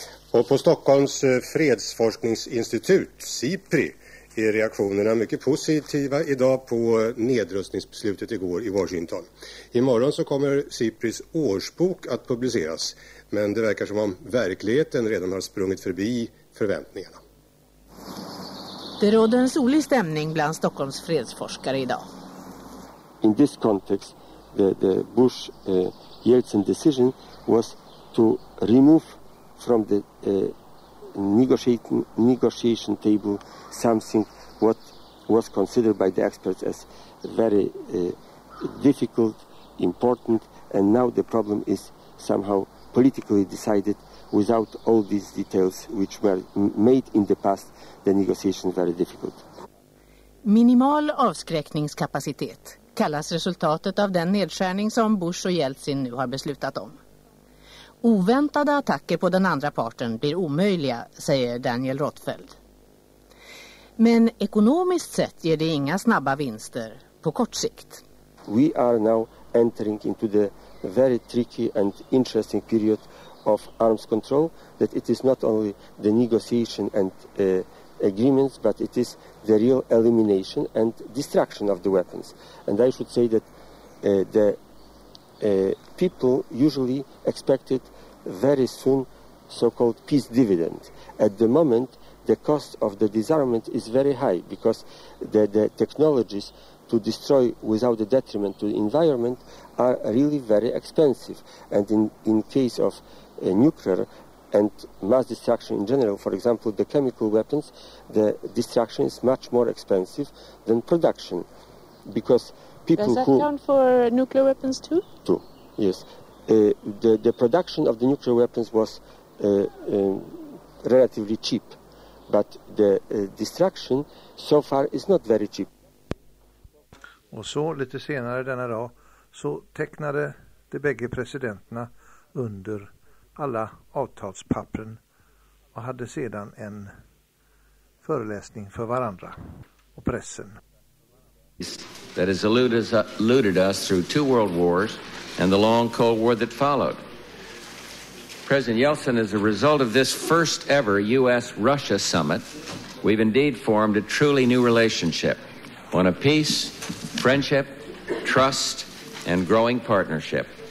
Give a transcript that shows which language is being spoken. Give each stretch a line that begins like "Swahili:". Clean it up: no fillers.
Swedish: Och på Stockholms fredsforskningsinstitut, SIPRI, är reaktionerna mycket positiva idag på nedrustningsbeslutet igår i Washington. Imorgon så kommer SIPRIs årsbok att publiceras, men det verkar som om verkligheten redan har sprungit förbi förväntningarna. Det råder en solig stämning bland Stockholms fredsforskare idag.
English: In this context, the Bush Yeltsin decision was to remove from the negotiation table something what was considered by the experts as very difficult, important, and now the problem is somehow politically decided without all these details which were made in the past the negotiations very difficult.
Swedish: Minimal avskräckningskapacitet kallas resultatet av den nedskärning som Bush och Jeltsin nu har beslutat om. Oväntade attacker på den andra parten blir omöjliga, säger Daniel Rothfeld. Men ekonomiskt sett ger det inga snabba vinster på kort sikt.
English: We are now entering into the very tricky and interesting period of arms control, that it is not only the negotiation and agreements, but it is the real elimination and destruction of the weapons. And I should say that people usually expected very soon so-called peace dividend. At the moment, the cost of the disarmament is very high because the technologies to destroy without a detriment to the environment are really very expensive. And in case of nuclear and mass destruction in general, for example, the chemical weapons, the destruction is much more expensive than production. Because people Does that who count for nuclear weapons too? Two, yes. The production of the nuclear weapons was relatively cheap, but the destruction so far is not very cheap.
Swedish: Och så lite senare denna dag så tecknade de bägge presidenterna under alla avtalspappren och hade sedan en föreläsning för varandra och pressen.
English: That has eluded us through two world wars and the long Cold War that followed. President Yeltsin, as a result of this first ever U.S.-Russia summit, we've indeed formed a truly new relationship, one of peace, friendship, trust, and growing partnership.